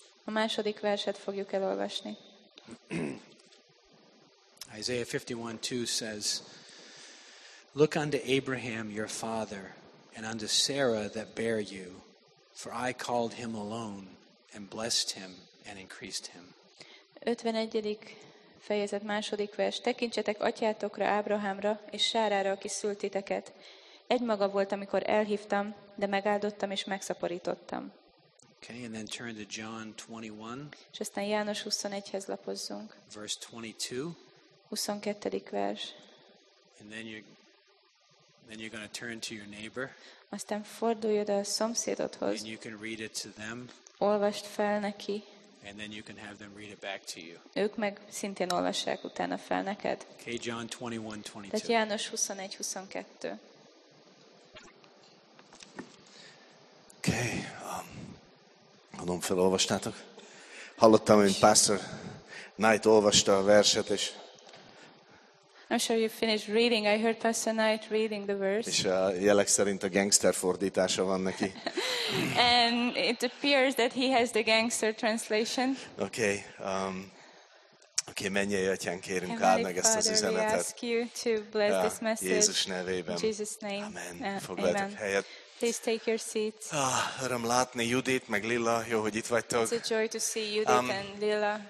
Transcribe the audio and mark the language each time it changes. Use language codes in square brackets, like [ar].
[hu] A második verset fogjuk elolvasni. [en] Isaiah 51:2 says, "Look unto Abraham your father, and unto Sarah that bare you, for I called him alone, and blessed him, and increased him." [hu] 51. fejezet, második vers. Tekintsetek atyátokra, Ábrahámra, és Sárára, aki szült titeket. Egymaga volt, amikor elhívtam, de megáldottam, és megszaporítottam. [en] Okay, and then turn to John 21. [hu] És aztán János 21-hez lapozzunk. [en] Verse 22. [hu] 22. vers. [en] Then you're going to turn to your neighbor. [hu] Aztán forduljod a szomszédodhoz. [en] And you can read it to them. [hu] Olvasd fel neki. [en] and then you can have them read it back to you. [hu] Ők meg szintén olvassák utána fel neked. [en] Okay, John 21:22. [hu] Tehát János 21:22. Okay, mondom, felolvastátok? Hallottam, hogy Pastor Knight olvasta a verset, és [en] I'm sure you finished reading. I heard Pastor Knight reading the verse. [hu] És a jelek szerint a gangster fordítása van neki. [en] And it appears that he has the gangster translation. Okay. [hu] Okay, mennyei atyánk, kérünk, áld meg ezt az üzenetet. [en] We ask you to bless this message. [hu] Jézus nevében. [en] Jesus name. [hu] Amen. Foglaljatok helyet. [en] Please take your seats. [hu] Öröm látni Judit meg Lilla. Jó, hogy itt vagytok. [en] It's a joy to see Judit and Lilla.